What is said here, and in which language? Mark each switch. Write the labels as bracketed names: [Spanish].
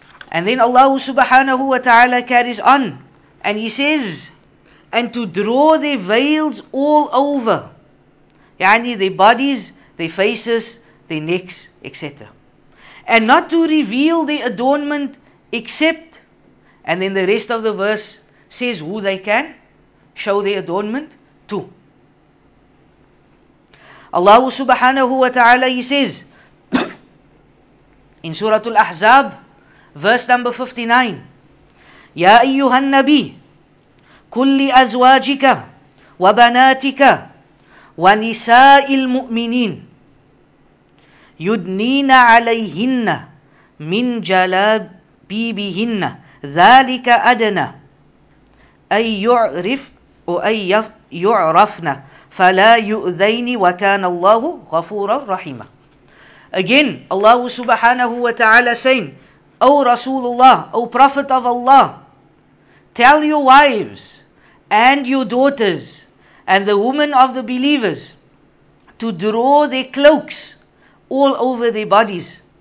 [English] And then Allah subhanahu wa ta'ala carries on and he says, and to draw their veils all over, yani their bodies, their faces, their necks, etc. And not to reveal the adornment except, and then the rest of the verse says who they can show the adornment to. Allah subhanahu wa ta'ala, he says in Surah Al-Ahzab, verse number 59, [Arabic] Ya ayyuhan nabi, kulli azwajika wa banatika ونساء المؤمنين يدنين عليهن من جلابيبهن ذلك أدنى أن يعرف أو أن يعرفن فلا يؤذين وكان الله غفورا رحيما. [English] Again, Allah subhanahu wa ta'ala saying, O Rasulullah, O Prophet of Allah, tell your wives and your daughters and the women of the believers to draw their cloaks all over their bodies.